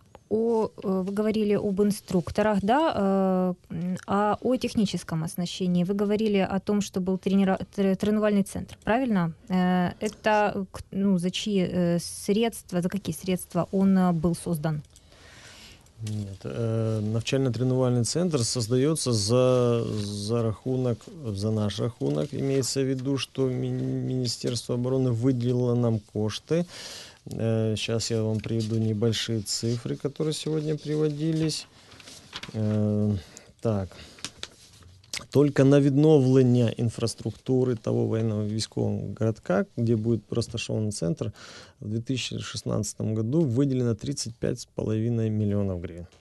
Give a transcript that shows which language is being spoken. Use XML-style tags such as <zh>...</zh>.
<ru>Вы говорили об инструкторах, да, а о техническом оснащении. Вы говорили о том, что был тренировочный центр, правильно? Это, ну, за чьи средства, за какие средства он был создан? Нет,</ru> <uk>навчально-тренувальний центр создається за рахунок, за наш рахунок.</uk> <ru>Имеется в виду, что Министерство обороны выделило нам кошти. Сейчас я вам приведу небольшие цифры, которые сегодня приводились. Так, только</ru> <uk>на відновлення</uk> <ru>инфраструктуры того военного</ru> <uk>військового</uk> <ru>городка, где будет простошован центр, в 2016 году выделено 35,5 миллионов гривен.</ru>